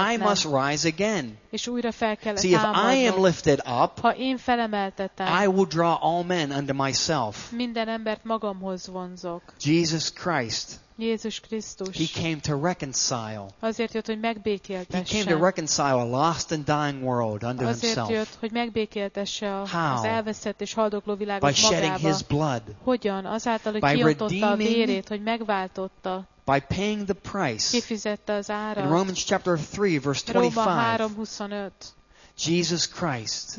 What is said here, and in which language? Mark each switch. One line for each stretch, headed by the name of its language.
English: And I must rise again.
Hungarian: És újra fel kell
English: See,
Hungarian: támadnom.
English: If I am lifted up,
Hungarian: ha én felemeltetem,
English: I will draw all men unto myself.
Hungarian: Minden embert magamhoz vonzok.
English: Jesus Christ.
Hungarian: Jézus Krisztus.
English: He came to reconcile.
Hungarian: Azért jött, hogy megbékéltesse.
English: He came to reconcile a lost and dying world unto
Hungarian: Azért
English: himself.
Hungarian: Azért jött, hogy megbékéltesse az elveszett és haldokló világot
English: By
Hungarian: magába.
English: Shedding his blood.
Hungarian: Hogyan? Azáltal, hogy
English: By
Hungarian: kiontotta a vérét, hogy megváltotta.
English: By paying the price.
Hungarian: Kifizette az árat.
English: In Romans chapter 3 verse 25.
Hungarian: Róma 3:25.
English: Jesus Christ.